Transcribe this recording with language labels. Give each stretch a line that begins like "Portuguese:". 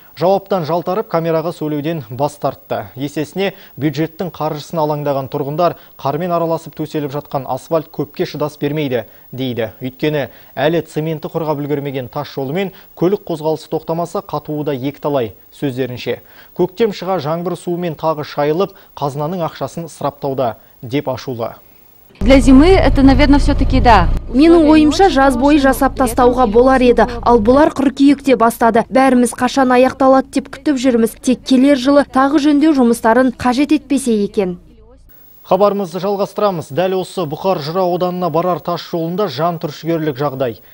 Kazakh: Жауаптан жалтарып, камераға сөйлеуден бас тартты. Есесіне бюджеттің қаржысын алаңдаған тұрғындар қармен араласып төселіп жатқан асфальт көпке шыдас бермейді дейді. Өйткені әлі цементті қорғап үлгермеген тас жолымен көлік қозғалысы тоқтамаса қатуы да екіталай сөздерінше. Көктем шыға жаңбыр суымен тағы шайылып, қазынаның ақшасын сыраптауда деп ашулы.
Russian: Для зимы это, наверное, все-таки да.
Kazakh: Менің ойымша жаз бойы жасап тастауға болар еді. Ал бұлар қыркүйекте бастады. Бәріміз қашан аяқталады деп күтіп жүрміз. Тек келер жылы тағы жөндеу жұмыстарын қажет етпесе екен. Хабарымызды жалғастырамыз. Дәл осы Бұқар жыра ауданына барар тас жолында жан түршігерлік жағдай.